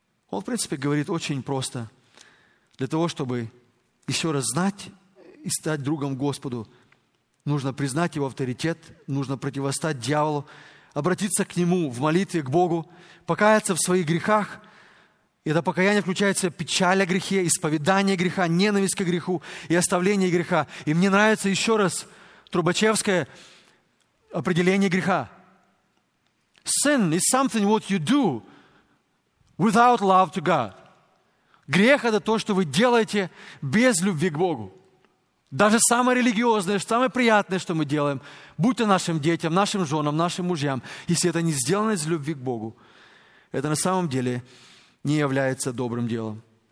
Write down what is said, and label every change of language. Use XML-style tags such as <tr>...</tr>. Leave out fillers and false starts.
<ru>Он, в принципе, говорит очень просто. Для того, чтобы еще раз знать и стать другом Господу, нужно признать Его авторитет, нужно противостать дьяволу, обратиться к Нему в молитве, к Богу, покаяться в своих грехах. Это покаяние включается печаль о грехе, исповедание греха, ненависть к греху и оставление греха. И мне нравится еще раз Трубачевское определение греха.</ru> <en>Sin is something what you do without love to God.</en> <ru>Грех – это то, что вы делаете без любви к Богу. Даже самое религиозное, самое приятное, что мы делаем, будь то нашим детям, нашим женам, нашим мужьям, если это не сделано из любви к Богу, это на самом деле не является добрым делом.</ru>